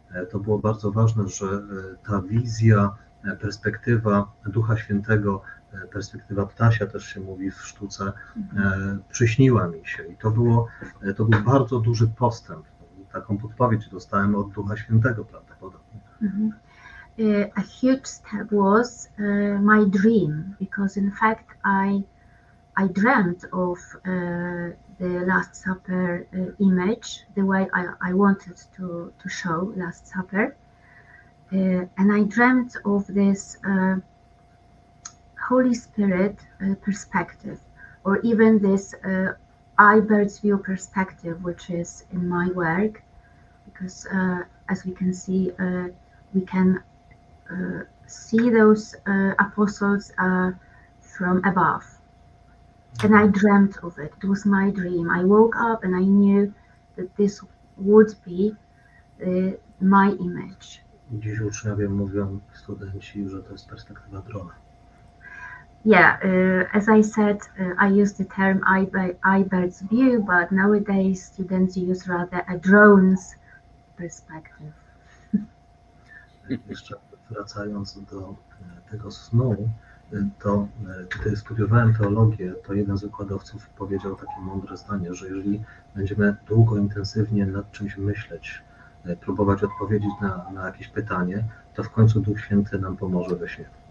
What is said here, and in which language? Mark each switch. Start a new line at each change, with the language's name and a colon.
Polish: To było bardzo ważne, że ta wizja, perspektywa Ducha Świętego, perspektywa ptasia też się mówi w sztuce, przyśniła mi się. I to był bardzo duży postęp. Taką podpowiedź dostałem od Ducha Świętego prawdopodobnie.
English: A huge step was my dream, because in fact I dreamt of the Last Supper image, the way I wanted to show Last Supper. And I dreamt of this Holy Spirit perspective, or even this bird's view perspective, which is in my work, because as we can see, we can see those apostles from above. And I dreamt of it. It was my dream. I woke up and I knew that this would be my image.
Polish: Dziś uczniowie mówią, studenci, że to jest perspektywa drona.
English: Yeah, as I said, I use the term bird's view, but nowadays students use rather a drone's perspective.
Polish: Jeszcze wracając do tego snu, to gdy studiowałem teologię, to jeden z wykładowców powiedział takie mądre zdanie, że jeżeli będziemy długo, intensywnie nad czymś myśleć, próbować odpowiedzieć na jakieś pytanie, to w końcu Duch Święty nam pomoże we śnie.